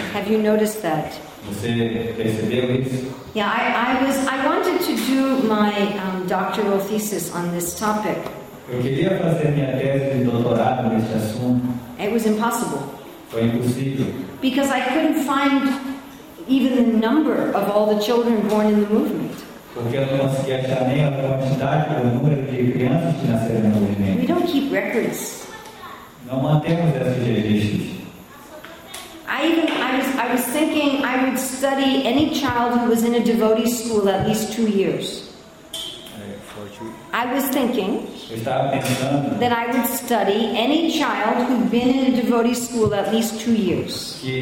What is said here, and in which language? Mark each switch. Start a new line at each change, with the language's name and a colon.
English: Have you noticed that?
Portuguese: Você percebeu isso?
English: Yeah, I wanted to do my doctoral thesis on this topic.
Portuguese: Eu queria fazer minha tese de doutorado nesse assunto.
English: It was impossible.
Portuguese: Foi impossível.
English: Because I couldn't find even the number of all the children born in the movement.
Portuguese: Porque eu não consegui achar nem a quantidade ou o número de crianças que nasceram no movimento.
English: We don't keep records.
Portuguese: Não mantemos esses registros.
English: I was thinking I would study any child who was in a devotee school at least 2 years. I was thinking that I would study any child who'd been in a devotee school at least 2 years.